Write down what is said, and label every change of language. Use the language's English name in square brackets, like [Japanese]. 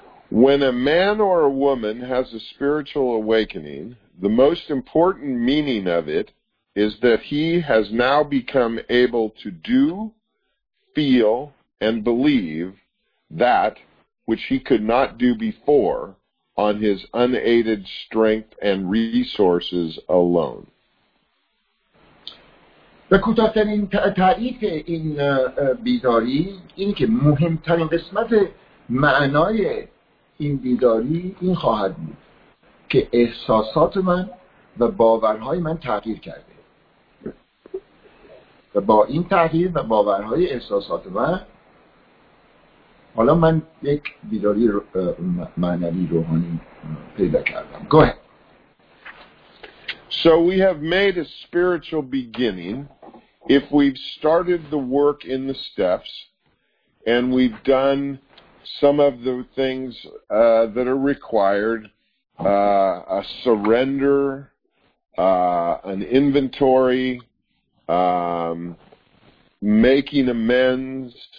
[English] when a man or a woman has a spiritual awakening, the most important meaning of it is that he has now become able to do, feel, and believe that which he could not do before on his unaided strength and resources alone. [Persian] به کوتاه‌ترین تعریف این بیداری این که مهمترین قسمت معنای این بیداری این خواهد بود که احساسات من و باورهای من تغییر کرده و با این تغییر و باورهای احساسات من حالا من یک بیداری معنوی روحانی پیدا کردم. [English] Go ahead. So we have made a spiritual beginning if we've started the work in the steps and we've done some of the things that are required, a surrender, an inventory, making amends,